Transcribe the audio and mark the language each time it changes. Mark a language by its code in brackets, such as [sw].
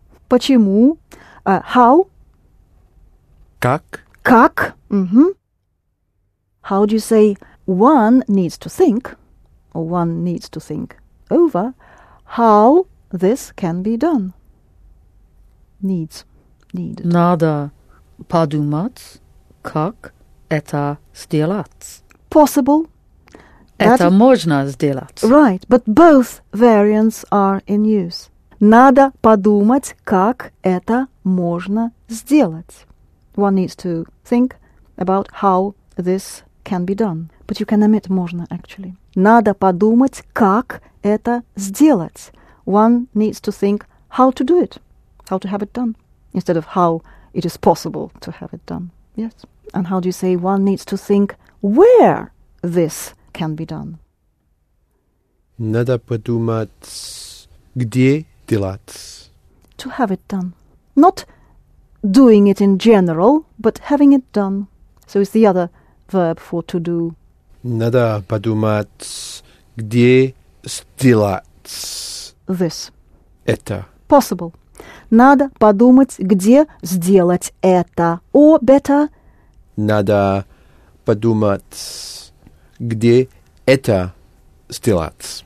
[ru] Почему? How? Как? Как? Mm-hmm. [en] How do you say one needs to think, or one needs to think over, how this can be done? Needs. Needed. [ru] Надо подумать, как это сделать. [en] Possible. [ru] Это можно сделать. [en] Right, but both variants are in use. [ru] Надо подумать, как это можно сделать. [en] One needs to think about how this can be done. But you can omit можно, actually. [ru] Надо подумать, как это сделать. [en] One needs to think how to do it, how to have it done, instead of how it is possible to have it done. Yes. And how do you say one needs to think where this can be done? [ru] Надо подумать, где делать. [en] To have it done. Not doing it in general, but having it done. So it's the other verb for to do. [ru] Надо подумать, где сделать. [en] This. [ru] Это. [en] Possible. [ru] Надо подумать, где сделать это. [en] Or better. [ru] Надо подумать, где это сделать.